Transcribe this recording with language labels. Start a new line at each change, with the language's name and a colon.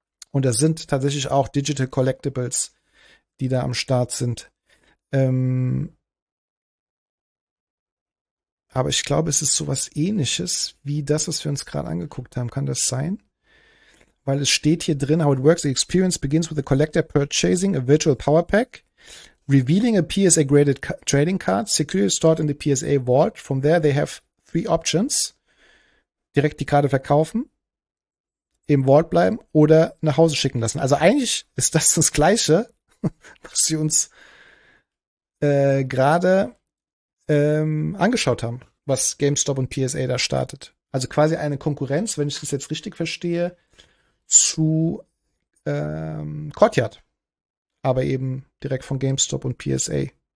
German: Und das sind tatsächlich auch Digital Collectibles, die da am Start sind. Aber ich glaube, es ist sowas Ähnliches wie das, was wir uns gerade angeguckt haben. Kann das sein? Weil es steht hier drin,
English: how it works. The experience begins with the collector purchasing a virtual power pack, revealing a PSA graded trading card, securely stored in the PSA vault. From there, they have 3 options.
German: Direkt die Karte verkaufen, im Vault bleiben oder nach Hause schicken lassen. Also eigentlich ist das Gleiche, was sie uns gerade angeschaut haben, was GameStop und PSA da startet. Also quasi eine Konkurrenz, wenn ich das jetzt richtig verstehe, zu Courtyard, aber eben direkt von GameStop und PSA.